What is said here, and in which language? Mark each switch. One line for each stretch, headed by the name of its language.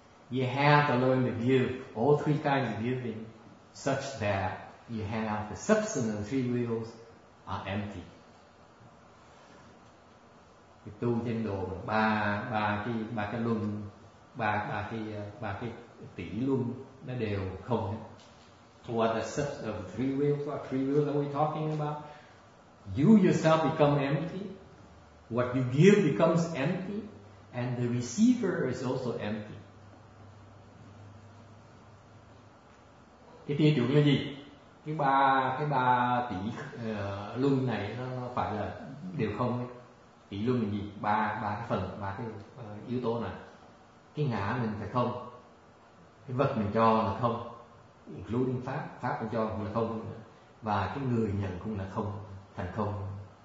English: You have to learn the view, all three kinds of viewing, such that you have the substance of the three wheels are empty.
Vietnamese: Thì tu trên đồ ba cái luân, ba cái tỷ luân nó đều không.
English: What the substance of the three wheels? What three wheels are we talking about? You yourself become empty. What you give becomes empty, and the receiver is also empty.
Vietnamese: Cái tiêu chuẩn là gì? Cái ba tỷ luân này nó phải là đều không. Tỷ luân là gì? Ba cái phần, ba cái yếu tố này. Cái ngã mình phải không? Cái vật mình cho là không, including pháp mình cho là không, và cái người nhận cũng là không, thành không.